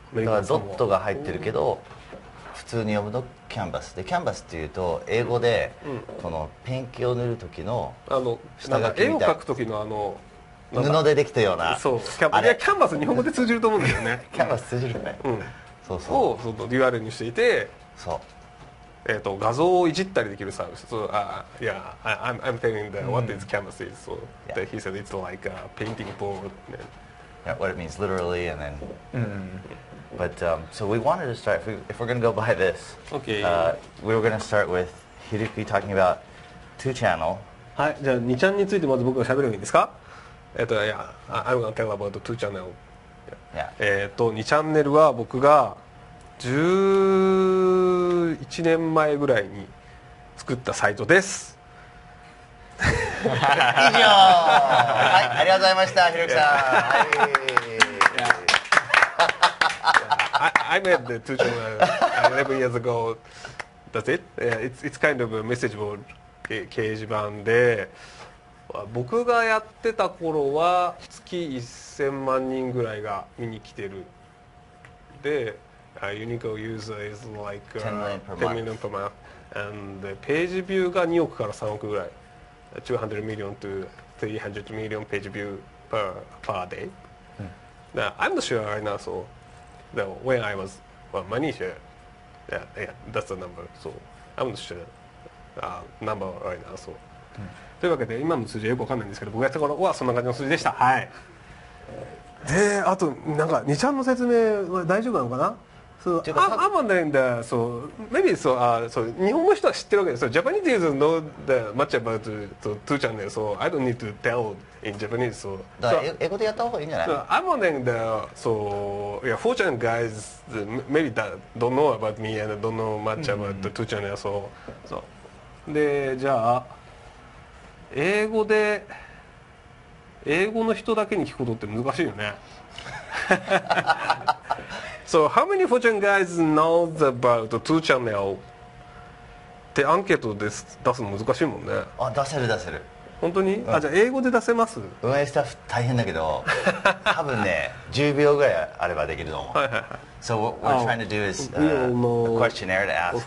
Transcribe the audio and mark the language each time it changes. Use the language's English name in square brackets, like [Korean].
[Japanese] だからドットが入ってるけど、普通に読むとキャンバスで、キャンバスっていうと英語でこのペンキを塗る時の下書きみたいな、絵を描く時の布でできたような、そう、あれ、いや、キャンバス日本語で通じると思うんだよねキャンバス通じるね、うん、そうそう、をそのデュアルにしていて、そう、画像をいじったりできるサービス。そう、あ、いや、 [English] I'm telling the what is canvas is、so yeah. that he said it's like a painting board、 yeah, what it means literally and then、But so we wanted to start, if we're going to go by this, we were going to start with Hiroki talking about 2channel. [Japanese] はい、じゃあ2ちゃんについてまず僕が喋ればいいんですか？ [English] Yeah, I'm going to tell about 2channel. Yeah. [Japanese] 2チャンネルは僕が11年前ぐらいに作ったサイトです。以上。はい、ありがとうございました、ひろきさん。はい。 [English] I made the two channel 11 years ago. That's it. It's kind of a message board [Japanese] 掲示板で、僕がやってた頃は月1000万人ぐらいが見に来てる。 [English] で、unique user is like 10 million per month. And page view [Japanese] が2億から3億ぐらい。 [English] 200 million to 300 million page view per day. Now, I'm not sure right now, so. When I was Manisha, yeah, that's the number. So I'm not sure number right now. So, [Japanese] というわけで今の数字はよくわかんないんですけど、僕やった頃はそんな感じの数字でした。はい。で、あとなんか2ちゃんの説明は大丈夫なのかな？そう、 [English] I'm wondering that. So maybe so. So [Japanese] 日本の人は知ってるわけです。 [English] So Japanese doesn't know that much about the two channel. So I don't need to tell in Japanese. So [Japanese] 英語でやった方がいいんじゃない [English] ？I'm wondering that. So yeah, 4chan guys maybe that don't know about me and don't know much about the two channel. So so. [Japanese] で、じゃあ英語で英語の人だけに聞くことって難しいよね。 [English] So how many Fortune guys know about 2channel? [Japanese] ってアンケートで出すの難しいもんね。あ、出せる出せる。本当に？うん、あ、じゃあ英語で出せます。運営スタッフ大変だけど、多分ね、10秒ぐらいあればできると思う。はいはいはい。 [English] So what we're trying to do is a questionnaire to ask.